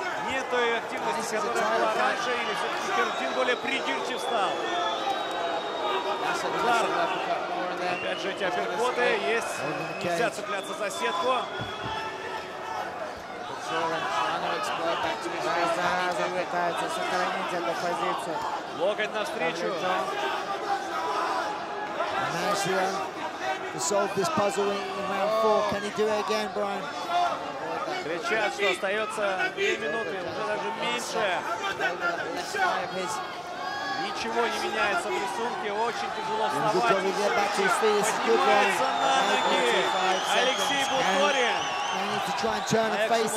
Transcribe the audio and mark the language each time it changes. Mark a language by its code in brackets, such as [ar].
[ru] Нет той активности, которая была раньше, или все-таки Юрчин более придирчив стал. Удар. Опять же эти апперкоты есть. Нельзя цепляться за сетку. Зараза пытается сохранить эту позицию. Локоть навстречу. [en] Nice to solve this puzzle in round four. Can he do it again, Brian? [ru] Кричат, что остается 2 минуты, уже даже меньше. Ничего не меняется в рисунке, очень тяжело вставать. Поднимается на ноги Алексей Буторин.